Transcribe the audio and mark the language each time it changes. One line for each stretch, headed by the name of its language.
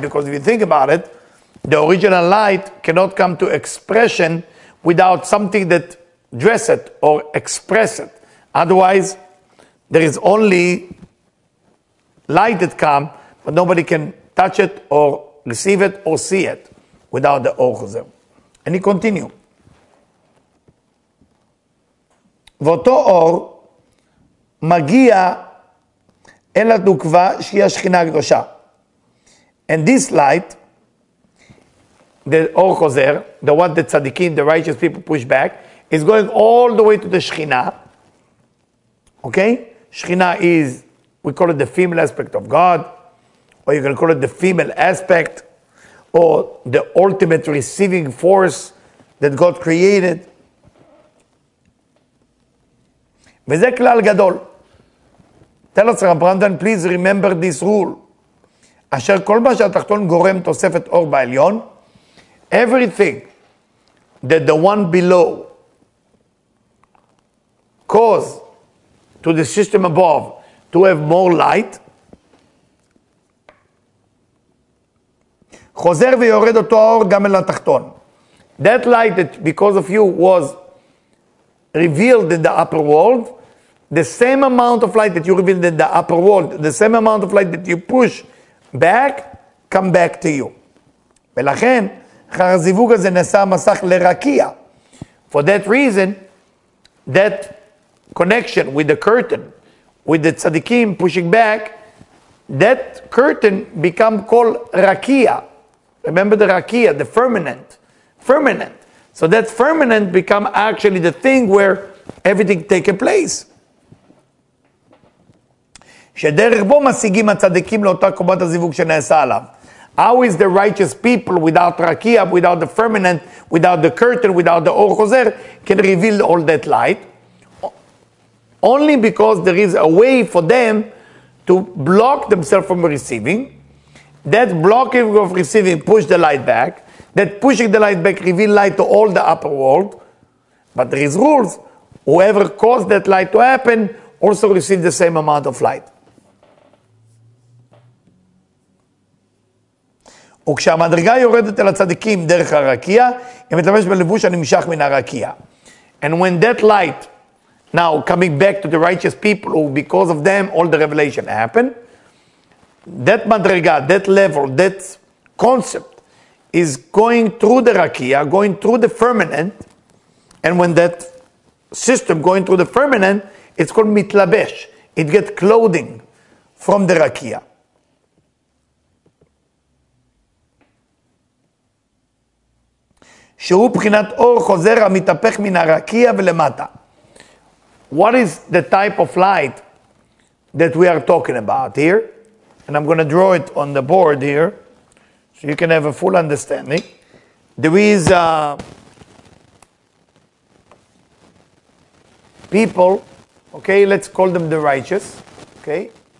English: Because if you think about it, the original light cannot come to expression without something that dress it or express it. Otherwise, there is only light that comes, but nobody can touch it or receive it or see it without the Or Chozer. And he continued.
Hebrew: ואותו אור מגיע אל הנוקבה שהיא השכינה הקדושה.
English: And this light, the אור חוזר, the what the tzadikim, the righteous people push back, is going all the way to the שכינה. Okay? שכינה is, we call it the female aspect of God, or you can call it the female aspect, or the ultimate receiving force that God created.
Hebrew: וזה כלל גדול.
English: Tell us, Rav Brandon, please remember this rule.
Hebrew: אשר כל מה שהתחתון גורם תוספת אור בעליון,
English: everything that the one below cause to the system above to have more light,
Hebrew: חוזר ויורד אותו האור גם אל התחתון.
English: That light that because of you was revealed in the upper world, the same amount of light that you revealed in the upper world, the same amount of light that you push back, come back to you.
Hebrew: ולכן, אחר הזיווג הזה נעשה המסך לרקיה.
English: For that reason, that connection with the curtain, with the tzadikim pushing back, that curtain become called rakia. Remember the rakia, the firmament. Firmament. So that firmament become actually the thing where everything take a place.
Hebrew: שדרך בו משיגים הצדיקים לאותה קומת הזיווג שנעשה עליו.
English: How is the righteous people without rakia, without the firmament, without the curtain, without the אור חוזר, can reveal all that light? Only because there is a way for them to block themselves from receiving. That blocking of receiving push the light back. That pushing the light back reveal light to all the upper world. But there is rules. Whoever caused that light to happen also receive the same amount of light.
Hebrew: וכשהמדרגה יורדת אל הצדיקים דרך הרקיה, היא מתלבש בלבוש הנמשך מן הרקיה.
English: And when that light, now coming back to the righteous people, who because of them all the revelation happened, that מדרגה, that level, that concept, is going through the רקיה, going through the firmament, and when that system going through the firmament, it's called מתלבש, it gets clothing from the רקיה.
Hebrew: שהוא בחינת אור חוזר המתהפך מן הרקיע ולמטה.
English: What is the type of light that we are talking about here? And I'm going to draw it on the board here, so you can have a full understanding. There is people, okay, let's call them the righteous, okay?